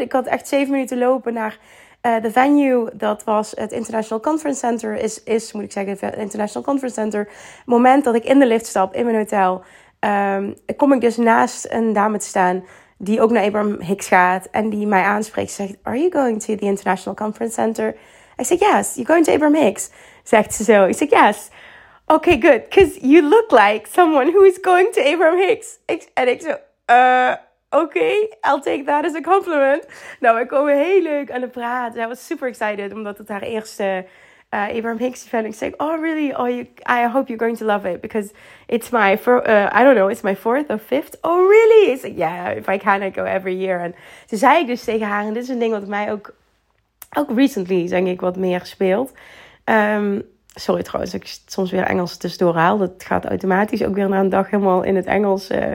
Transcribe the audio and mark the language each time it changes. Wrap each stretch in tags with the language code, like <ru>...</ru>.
<nl>Ik had echt 7 minuten lopen naar de venue. Dat was het International Conference Center. Is moet ik zeggen, het International Conference Center. Het moment dat ik in de lift stap in mijn hotel, kom ik dus naast een dame te staan die ook naar Abraham Hicks gaat en die mij aanspreekt.</nl> <en>Zegt: are you going to the International Conference Center?</en> <nl>Ik zeg:</nl> <en>yes, you're going to Abraham Hicks.</en> <nl>Zegt ze zo. Ik zeg:</nl> <en>yes. Okay, good. Because you look like someone who is going to Abraham Hicks.</en> <nl>En ik zo:</nl> <en>okay, I'll take that as a compliment.</en> <nl>Nou, we komen heel leuk aan de praat. Zij was</nl> <en>super excited,</en> <nl>omdat het haar eerste Abraham Hicks event. Ik zeg:</nl> <en>oh, really? Oh, I hope you're going to love it. Because it's my, it's my 4th or 5th. Oh, really?</en> <nl>Ik zeg:</nl> <en>yeah, if I can, I go every year.</en> <nl>En toen zei ik dus tegen haar, en dit is een ding wat mij ook recently, denk ik, wat meer speelt. Sorry trouwens, ik soms weer Engels tussendoor haal. Dat gaat automatisch ook weer na een dag helemaal in het Engels.</nl>